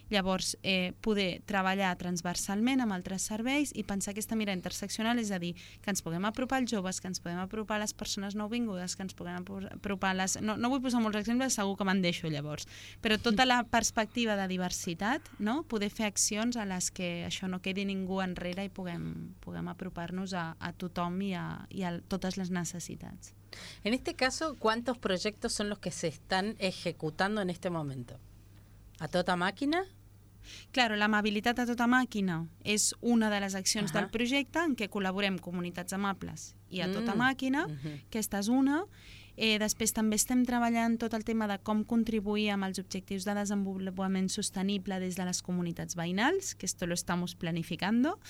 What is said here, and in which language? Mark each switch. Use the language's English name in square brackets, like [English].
[Catalan] Llavors, poder treballar transversalment amb altres serveis i pensar aquesta mirada interseccional, és a dir, que ens puguem apropar als joves, que ens puguem apropar a les persones nouvingudes, que ens puguem apropar a les... No vull posar molts exemples, segur que me'n deixo llavors, però tota la perspectiva de diversitat, no?, poder fer accions a les que això no quedi ningú enrere i puguem apropar-nos a tothom i a totes les necessitats. [Spanish] En este caso, ¿cuántos proyectos son los que se están ejecutando en este momento? [Catalan] ¿A tota màquina? Claro, la amabilitat a tota màquina és una de les accions uh-huh. del projecte en què col·laborem Comunitats Amables i a tota màquina, uh-huh. aquesta és una. Després també estem treballant tot el tema de com contribuir amb els objectius de desenvolupament sostenible des de les comunitats veïnals, que [Spanish] esto lo estamos planificando.